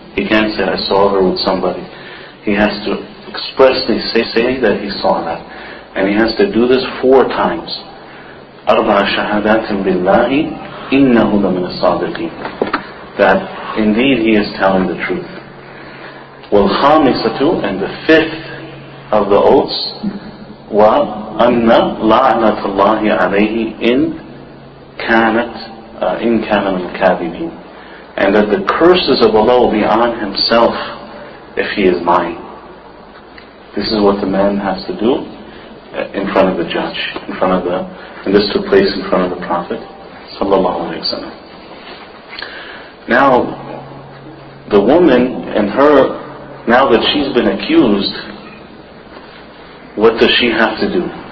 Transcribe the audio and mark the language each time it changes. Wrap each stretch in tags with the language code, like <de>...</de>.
<en>He can't say, I saw her with somebody. He has to expressly say that he saw that. And he has to do this four times.</en> <ar>أَرْبَعَ شَهَدَاتٍ بِاللَّهِ إِنَّهُ لَمِنَ الصَّادِقِينَ.</ar> <en>That indeed he is telling the truth.</en> <ar>وَالْخَامِسَةُ,</ar> <en>and the fifth of the oaths,</en> <ar>وَأَنَّ لَعْنَةُ اللَّهِ عَلَيْهِ إِنْ كَانَ الْكَاذِبِينَ.</ar> <en>And that the curses of Allah will be on himself if he is mine. This is what the man has to do in front of the judge, and this took place in front of the Prophet sallallahu alaihi wasallam. Now the woman and her, now that she's been accused, what does she have to do?</en>